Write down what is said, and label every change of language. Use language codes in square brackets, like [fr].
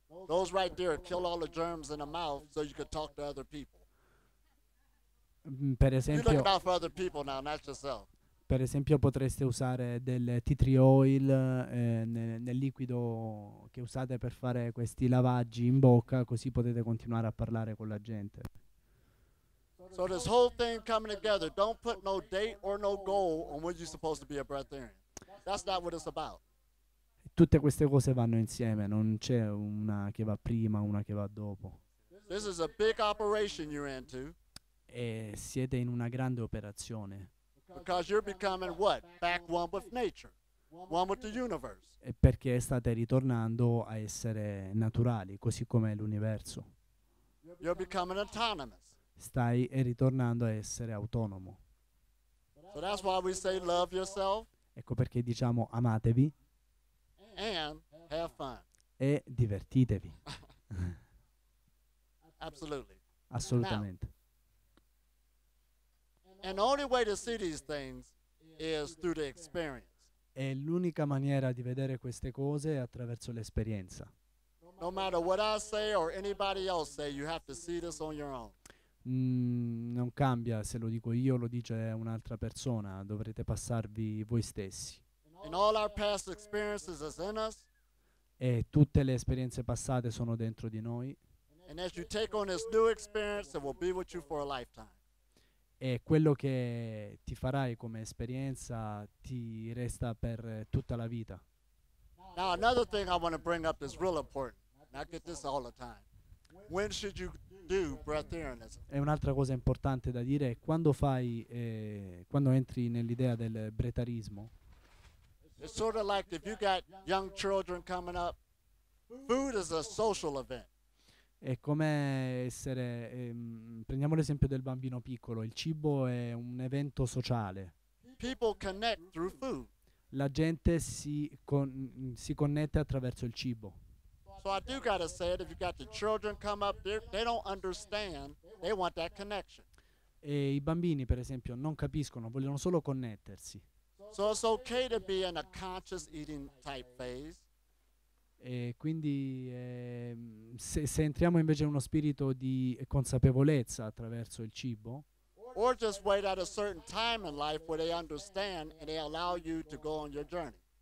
[en] Those right there kill all the germs in the mouth so you can talk to other people. [it] Per esempio, [en] you're looking out for other people now, not yourself. [it] Per esempio potreste usare del tea tree oil nel liquido che usate per fare questi lavaggi in bocca, così potete continuare a parlare con la gente. [en] So this whole thing coming together, don't put no date or no goal on what you're supposed to be a breatharian. That's not what it's about. [it] Tutte queste cose vanno insieme, non c'è una che va prima, una che va dopo. [en] This is a big operation you're into. [it] E siete in una grande operazione. [en] Because you're becoming what? Back one with nature, one with the universe. [it] E perché state ritornando a essere naturali, così come l'universo. [en] You're becoming autonomous. [it] Stai ritornando a essere autonomo. [en] So that's why we say love yourself. [it] Ecco perché diciamo amatevi. [en] And have fun. [it] E divertitevi. [en] Absolutely. [it] Assolutamente. [en] And the only way to see these things is through the experience. [it] E l'unica maniera di vedere queste cose è attraverso l'esperienza. [en] No matter what I say or anybody else say, you have to see this on your own. [it] Non cambia se lo dico io, lo dice un'altra persona, dovrete passarvi voi stessi. [en] And all our past experiences is in us. [it] E tutte le esperienze passate sono dentro di noi. [en] And as you take on this new experience, it will be with you for a lifetime. [it] E quello che ti farai come esperienza ti resta per tutta la vita. [en] Now another thing I want to bring up is real important. I get this all the time. When should you do breatharianism? [it] E un'altra cosa importante da dire è quando fai, quando entri nell'idea del breatharismo. [en] It's sort of like if you got young children coming up, food is a social event. [it] È come essere, prendiamo l'esempio del bambino piccolo, il cibo è un evento sociale. [en] People connect through food. [it] La gente si connette attraverso il cibo. [en] So I do gotta say it, if you got the children come up, they don't understand, they want that connection. [it] E i bambini, per esempio, non capiscono, vogliono solo connettersi. [en] So it's okay to be in a conscious eating type phase. [it] E quindi se entriamo invece in uno spirito di consapevolezza attraverso il cibo, [en] or just wait at a certain time in life where they understand and they allow you to go on your journey.